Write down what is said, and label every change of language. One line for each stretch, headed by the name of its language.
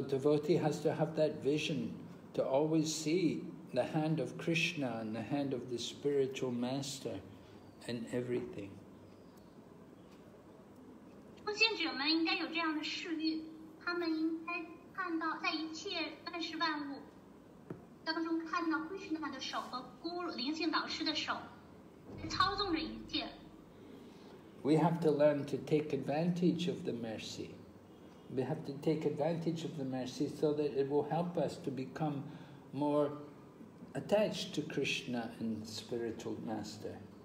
English: devotee has to have that vision to always see the hand of Krishna and the hand of the spiritual master in everything.
Chinese: 修行者们应该有这样的视欲，他们应该看到在一切万事万物当中看到Krishna的手和灵性导师的手，操纵着一切。
English: We have to learn to take advantage of the mercy. We have to take advantage of the mercy so that it will help us to become more attached to Krishna and spiritual master.